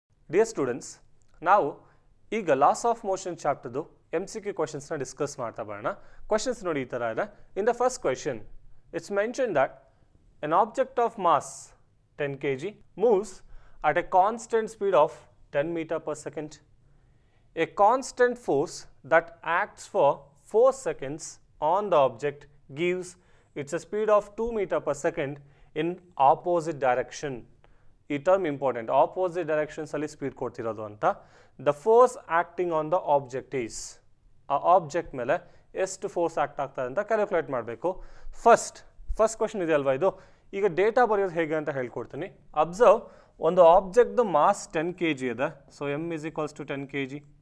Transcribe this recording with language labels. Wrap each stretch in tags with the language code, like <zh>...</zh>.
<kn>Dear students, ನಾವು ಈಗ loss of motion ಚಾಪ್ಟರ್ದು M C Q ಕ್ವಶನ್ಸ್ನ discuss ಮಾಡ್ತಾ ಬರೋಣ. ಕ್ವಶನ್ಸ್ ನೋಡಿ ಈ ಥರ ಇದೆ.</kn> <en>In the first question it's mention that an object of mass 10 kg moves at a constant speed of 10 m/s. A constant force that acts for 4 seconds on the object gives its a speed of 2 m/s in opposite direction.</en> <kn>ಈ term important, opposite ಡೈರೆಕ್ಷನ್ಸಲ್ಲಿ speed ಕೊಡ್ತಿರೋದು ಅಂತ.</kn> <en>the force acting on the object is,</en> <kn>ಆ object ಮೇಲೆ ಎಷ್ಟು force act ಆಗ್ತದೆ ಅಂತ calculate ಮಾಡಬೇಕು. First question ಇದೆ ಅಲ್ವಾ ಇದು. ಈಗ ಡೇಟಾ ಬರೆಯೋದು ಹೇಗೆ ಅಂತ ಹೇಳ್ಕೊಡ್ತೀನಿ. ಅಬ್ಸರ್ವ್, ಒಂದು ಆಬ್ಜೆಕ್ಟ್ದ ಮಾಸ್ 10 kg ಇದೆ.</kn> <en>So M is equals to 10 kg.</en>